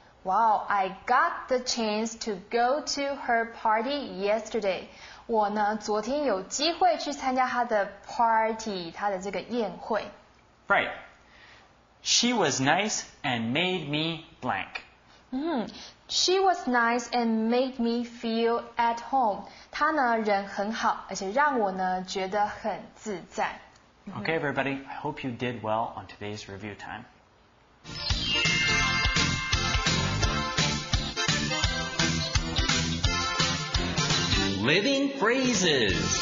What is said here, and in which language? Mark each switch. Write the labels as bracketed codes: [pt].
[en] Wow, I got the chance to go to her party yesterday. [zh] 我呢，昨天有机会去参加她的 party, 她的这个宴会。 [en] Right. She was nice and made me blank. She was nice and made me feel at home. [zh] 她呢，人很好，而且让我呢，觉得很自在。 [en] Okay, everybody. I hope you did well on today's review time. Living phrases.